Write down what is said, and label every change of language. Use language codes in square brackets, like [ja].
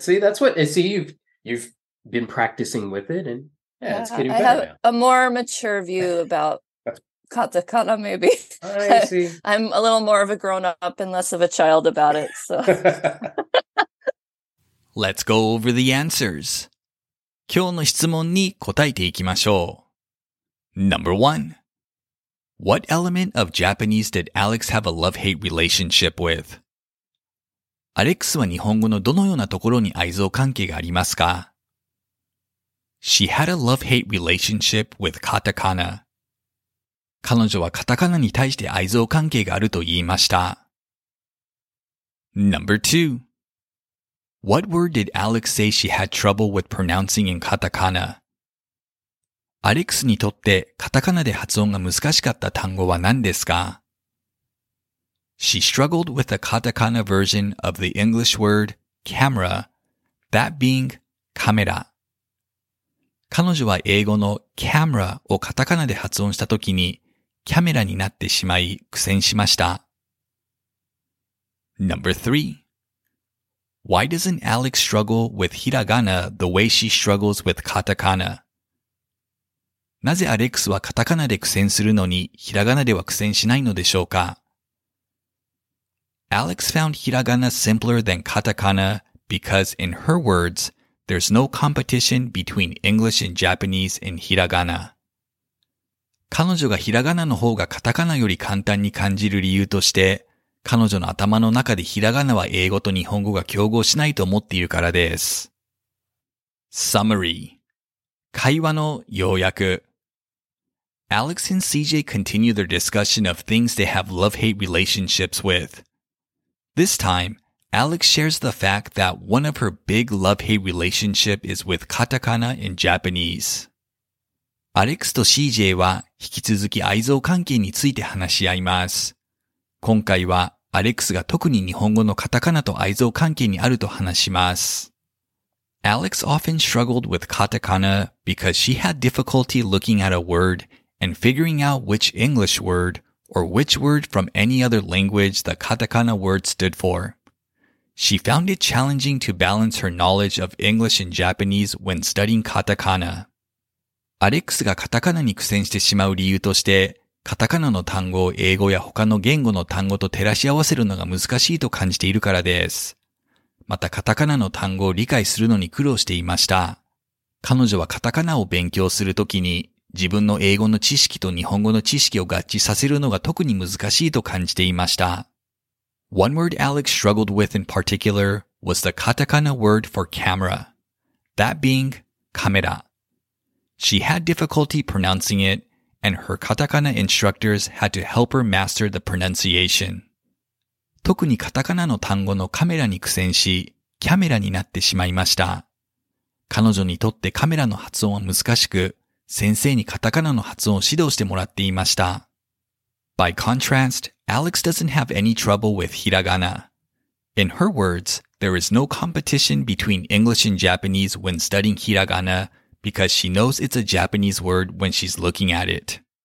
[en] See, that's what, you've been practicing with it, and it's getting better. I have a more mature view about katakana, maybe. I see. I'm a little more of a grown-up and less of a child about it. So let's go over the answers. [ja] 今日の質問に答えていきましょう。 [en] Number 1. What element of Japanese did Alex have a love-hate relationship with? [ja] アレックスは日本語のどのようなところに愛憎関係がありますか? [en] She had a love-hate relationship with katakana. [ja] 彼女はカタカナに対して愛憎関係があると言いました。 [en] Number 2. What word did Alex say she had trouble with pronouncing in katakana? [ja] アレックスにとってカタカナで発音が難しかった単語は何ですか? [en] She struggled with the katakana version of the English word camera, that being camera. [ja] 彼女は英語の camera をカタカナで発音したときにキャメラになってしまい苦戦しました。 [en] Number 3. Why doesn't Alex struggle with hiragana the way she struggles with katakana? [ja] なぜアレックスはカタカナで苦戦するのにひらがなでは苦戦しないのでしょうか? [en] Alex found hiragana simpler than katakana because, in her words, there's no competition between English and Japanese in hiragana. [ja] 彼女がひらがなの方がカタカナより簡単に感じる理由として、彼女の頭の中でひらがなは英語と日本語が競合しないと思っているからです。 [en] Summary [ja] 会話の要約 [en] Alex and CJ continue their discussion of things they have love-hate relationships with. This time, Alex shares the fact that one of her big love-hate relationship is with katakana in Japanese. [ja] アレックスと CJ は引き続き愛憎関係について話し合います。今回はアレックスが特に日本語のカタカナと愛憎関係にあると話します。 [en] Alex often struggled with katakana because she had difficulty looking at a word and figuring out which English word or which word from any other language the katakana word stood for. She found it challenging to balance her knowledge of English and Japanese when studying katakana. [ja] アレックスがカタカナに苦戦してしまう理由としてカタカナの単語を英語や他の言語の単語と照らし合わせるのが難しいと感じているからです。またカタカナの単語を理解するのに苦労していました。彼女はカタカナを勉強するときに自分の英語の知識と日本語の知識を合致させるのが特に難しいと感じていました。 [en] One word Alex struggled with in particular was the katakana word for camera. That being camera. She had difficulty pronouncing it,And her katakana instructors had to help her master the pronunciation. [ja] 特にカタカナの単語のカメラに苦戦し、キャメラになってしまいました。彼女にとってカメラの発音は難しく、先生にカタカナの発音を指導してもらっていました。 [en] By contrast, Alex doesn't have any trouble with hiragana. In her words, there is no competition between English and Japanese when studying hiragana,Because she knows it's a Japanese word when she's looking at it.